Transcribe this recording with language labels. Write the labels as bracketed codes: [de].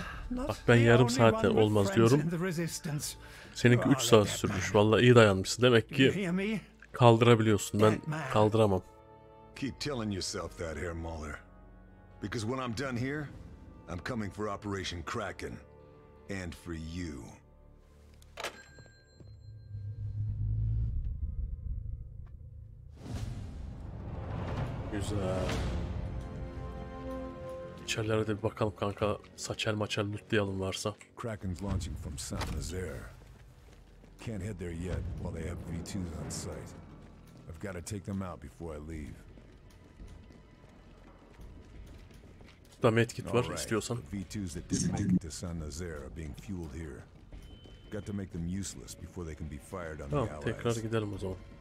[tr] Bak ben yarım saate olmaz diyorum. Seninki 3 saat sürmüş. Vallahi iyi dayanmışsın. Demek ki kaldırabiliyorsun. Ben kaldıramam. [en] Keep telling yourself that, Herr Moller. Because when I'm done here, I'm coming for Operation Kraken. And for you. [tr] Güzel. İçerilere de bir bakalım kanka. Saçel maçel lootlayalım varsa. [en] Kraken's launching from Saint Nazaire. Can't head there yet while they have V2s on site. I've got to take them out before I leave. [tr] Da medkit var istiyorsan. [en] V2s that didn't make it to Saint Nazaire are being fueled here. Got to make them useless before they can be fired on the Allies. [tr] Tamam, tekrar gidelim o zaman.